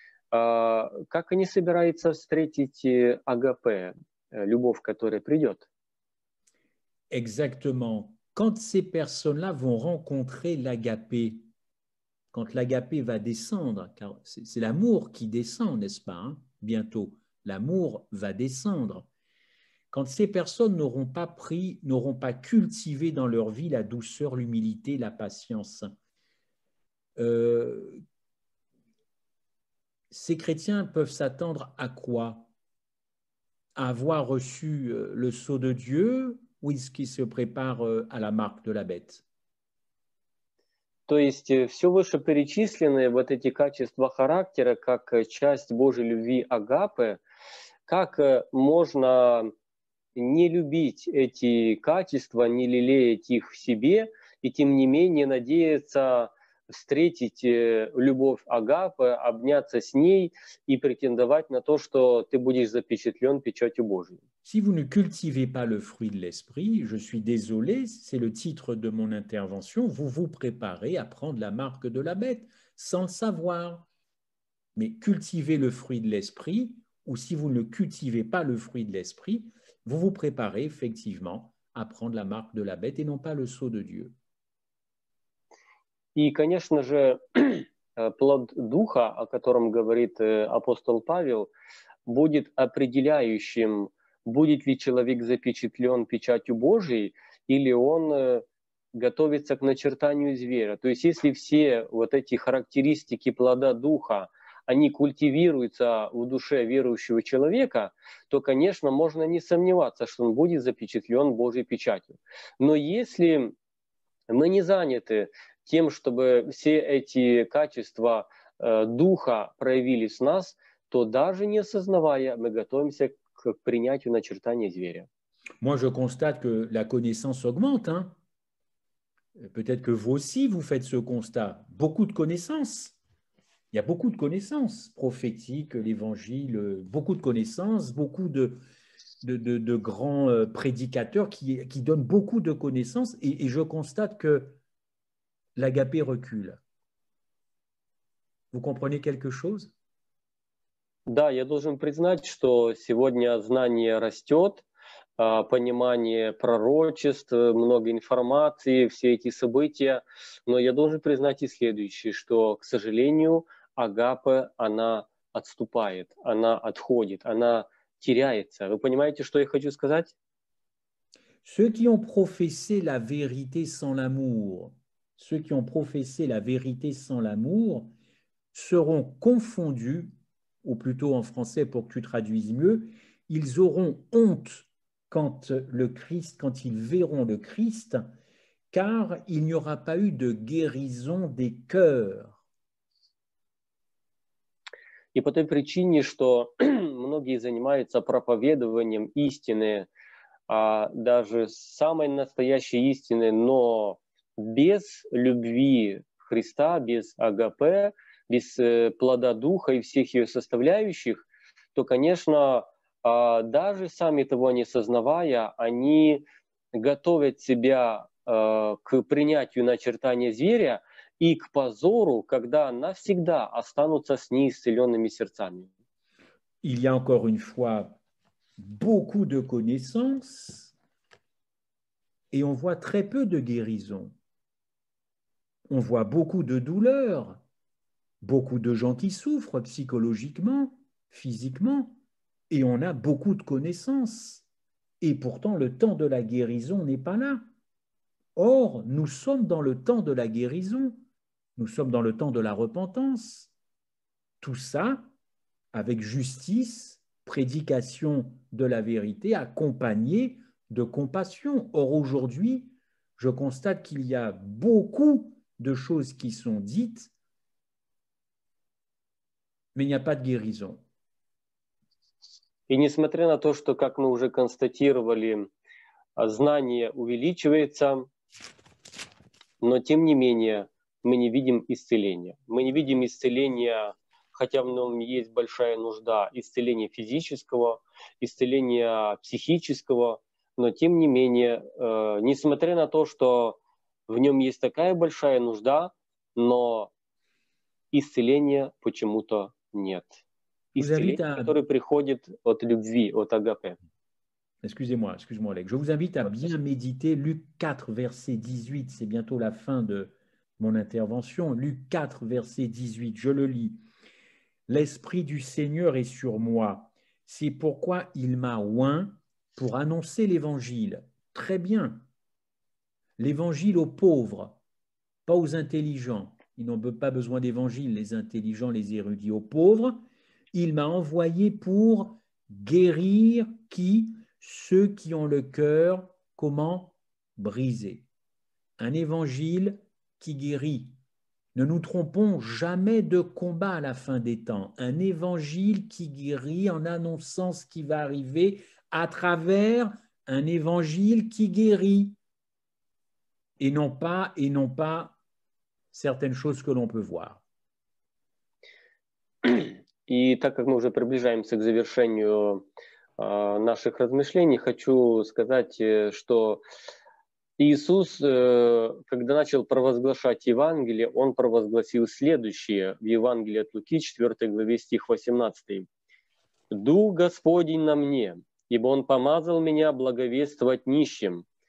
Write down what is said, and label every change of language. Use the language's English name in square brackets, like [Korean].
[Russian] Как они собираются встретить агапе? Любовь, которая придет. [French] Exactement. Quand ces personnes-là vont rencontrer l'agapé, quand l'agapé va descendre, car c'est l'amour qui descend, n'est-ce pas, hein? Bientôt, l'amour va descendre. Quand ces personnes n'auront pas pris, n'auront pas cultivé dans leur vie la douceur, l'humilité, la patience, ces chrétiens peuvent s'attendre à quoi? Avoir reçu le sceau de Dieu ou est-ce qu'il se prépare à la marque de la bête? [Russian] То есть все вышеперечисленные вот эти качества характера как часть Божьей любви агапы, как можно не любить эти качества, не лелеять их в себе и тем не менее надеяться встретить любовь агапы, обняться с ней и претендовать на то, что ты будешь запечатлен печатью Божьей. [French] Si vous ne cultivez pas le fruit de l'esprit, je suis désolé, c'est le titre de mon intervention, vous vous préparez à prendre la marque de la bête, sans le savoir. Mais cultivez le fruit de l'esprit, ou si vous ne cultivez pas le fruit de l'esprit, vous vous préparez effectivement à prendre la marque de la bête et non pas le sceau de Dieu. [Russian] И, конечно же, плод Духа, о котором говорит апостол Павел, будет определяющим, будет ли человек запечатлен печатью Божией, или он готовится к начертанию зверя. То есть, если все вот эти характеристики плода Духа, они культивируются в душе верующего человека, то, конечно, можно не сомневаться, что он будет запечатлен Божьей печатью. Но если мы не заняты тем, чтобы все эти качества Духа проявились в нас, то даже не осознавая, мы готовимся к принятию начертания зверя. [French] Moi, je constate que la connaissance augmente, hein. Peut-être que vous aussi, vous faites ce constat. Beaucoup de connaissances. Il y a beaucoup de connaissances prophétiques, l'évangile, beaucoup de connaissances, beaucoup de grands prédicateurs qui donnent beaucoup de connaissances. Et je constate que l'agapé recule. Vous comprenez quelque chose? [Russian] Да, я должен признать, что сегодня знание растет, понимание пророчеств, много информации, все эти события. Но я должен признать и следующее, что, к сожалению, агапе, она отступает, она отходит, она теряется. Вы понимаете, что я хочу сказать? [French] Ceux qui ont professé la vérité sans l'amour, ceux qui ont professé la vérité sans l'amour, seront confondus, ou plutôt en français pour que tu traduises mieux, ils auront honte quand le Christ, quand ils verront le Christ, car il n'y aura pas eu de guérison des cœurs. [Russian] И по той причине, что многие занимаются проповедованием истины, даже самой настоящей истины, но без любви Христа, без агапе, без плода Духа и всех ее составляющих, то, конечно, даже сами того не сознавая, они готовят себя к принятию начертания зверя и к позору, когда навсегда останутся с неисцеленными сердцами. [French] Il y a encore une fois beaucoup de connaissances et on voit très peu de guérison. On voit beaucoup de douleurs. Beaucoup de gens qui souffrent psychologiquement, physiquement, et on a beaucoup de connaissances. Et pourtant, le temps de la guérison n'est pas là. Or, nous sommes dans le temps de la guérison, nous sommes dans le temps de la repentance. Tout ça, avec justice, prédication de la vérité, accompagnée de compassion. Or, aujourd'hui, je constate qu'il y a beaucoup de choses qui sont dites, mais il n'y a pas de guérison. [Russian] И несмотря на то, что, как мы уже констатировали, знание увеличивается, но тем не менее мы не видим исцеления. Мы не видим исцеления, хотя в нем есть большая нужда, исцеления физического, исцеления психического, но тем не менее, несмотря на то, что в нем есть такая большая нужда, но исцеления почему-то нет. Исцеление, которое приходит от любви, от агапе. [French] Excusez-moi, Олег. Je vous invite à bien méditer Luc 4, verset 18. C'est bientôt la fin de mon intervention. Luc 4, verset 18. Je le lis. L'Esprit du Seigneur est sur moi. C'est pourquoi il m'a oint pour annoncer l'Évangile. Très bien. L'Évangile aux pauvres, pas aux intelligents. Ils n'ont pas besoin d'évangile, les intelligents, les érudits, aux pauvres. Il m'a envoyé pour guérir qui? Ceux qui ont le cœur, comment? Brisé. Un évangile qui guérit. Ne nous trompons jamais de combat à la fin des temps. Un évangile qui guérit en annonçant ce qui va arriver à travers un évangile qui guérit. Et non pas certaines choses que l'on peut voir. [Russian] И так как мы уже приближаемся к завершению наших размышлений, хочу сказать, что Иисус, когда начал провозглашать Евангелие, Он провозгласил следующее в Евангелии от Луки, 4 главе, стих 18. «Дух Господень на мне, ибо Он помазал меня благовествовать нищим,